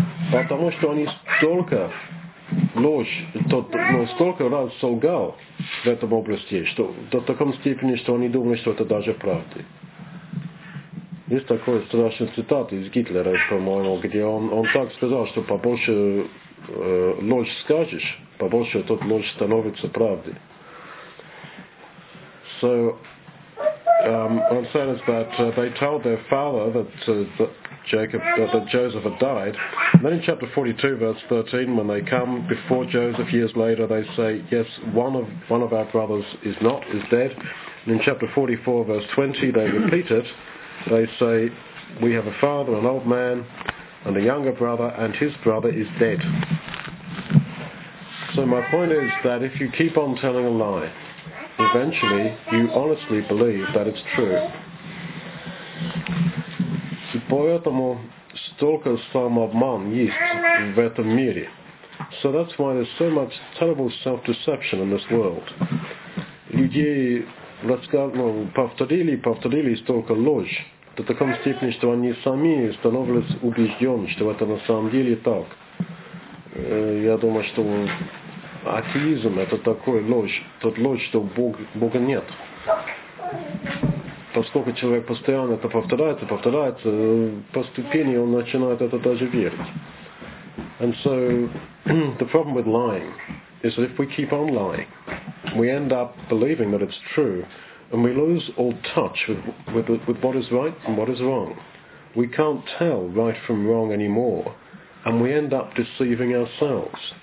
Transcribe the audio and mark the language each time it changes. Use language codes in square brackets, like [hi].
[ru] Потому что они столько ложь, столько раз солгал в этом области, что до такой степени, что они думали, что это даже правда. Есть такой страшный цитат из Гитлера, по-моему, где он так сказал, что побольше ложь скажешь, побольше тот ложь становится правдой. [en] So, what I'm saying is that they told their father that Joseph had died. And then in chapter 42, verse 13, when they come before Joseph years later, they say, yes, one of our brothers is dead. And in chapter 44, verse 20, they repeat it. They say, we have a father, an old man, and a younger brother, and his brother is dead. So my point is that if you keep on telling a lie, eventually you honestly believe that it's true. [ru] И поэтому столько самообман есть в этом мире. [en] So that's why there's so much terrible self-deception in this world. [ru] Людей повторили столько ложь, до такой степени, что они сами становились убеждены, что это на самом деле так. Я думаю, что атеизм это такой ложь, тот ложь, что Бога нет. Поскольку человек постоянно это повторяется, по ступени он начинает это даже верить. [en] And so, the problem with lying is that if we keep on lying, we end up believing that it's true, and we lose all touch with what is right and what is wrong. We can't tell right from wrong anymore, and we end up deceiving ourselves.